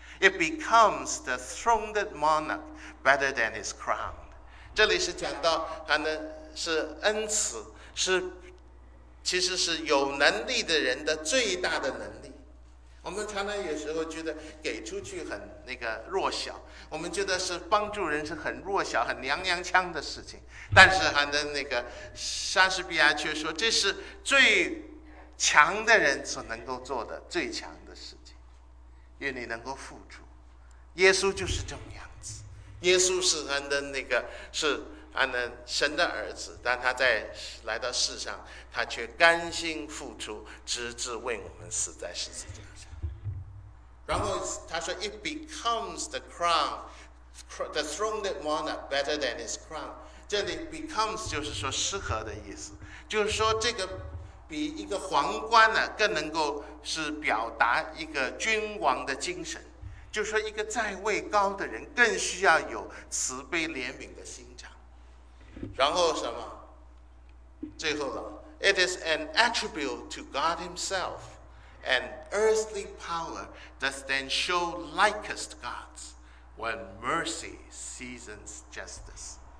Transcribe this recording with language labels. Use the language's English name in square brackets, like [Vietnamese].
[English] It becomes the throned monarch better than his crown. [Chinese] 这里是讲到他呢是恩慈，是其实是有能力的人的最大的能力。我们常常有时候觉得给出去很那个弱小，我们觉得是帮助人是很弱小很娘娘腔的事情，但是他的那个莎士比亚却说这是最强的人所能够做的最强的事情。愿你能够付出，耶稣就是这么样子。耶稣是他的那个是他的神的儿子，但他在来到世上，他却甘心付出，直至为我们死在十字架上。然后他说 [English] ，It becomes the crown, the throne that monarch better than his crown。 [Chinese] 这里 becomes 就是说适合的意思，就是说这个。比一个皇冠呢，更能够是表达一个君王的精神，就是说一个在位高的人更需要有慈悲怜悯的心肠。然后什么？最后了 [English] ，It is an attribute to God Himself, an earthly power does then show likest gods when mercy seasons justice。